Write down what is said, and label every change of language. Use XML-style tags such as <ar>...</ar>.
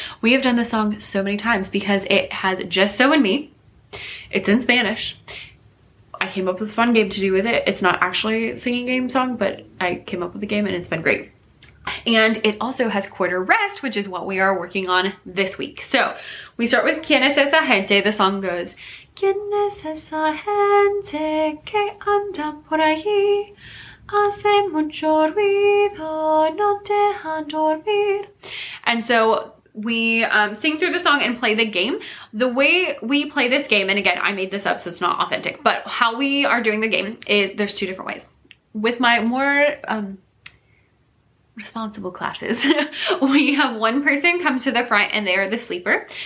<en>We have done this song so many times because it has just Sew and Me. It's in Spanish. I came up with a fun game to do with it. It's not actually a singing game song, but I came up with a game and it's been great. And it also has quarter rest, which is what we are working on this week. So we start with</en> <es>¿Quién es esa gente? The song goes, ¿Quién es esa gente que anda por ahí? Hace mucho ruido, no dejan dormir.</es> <en>And so we sing through the song and play the game. The way we play this game, and again, I made this up so it's not authentic, but how we are doing the game is there's two different ways. With my more responsible classes, we have one person come to the front and they are the sleeper.</en>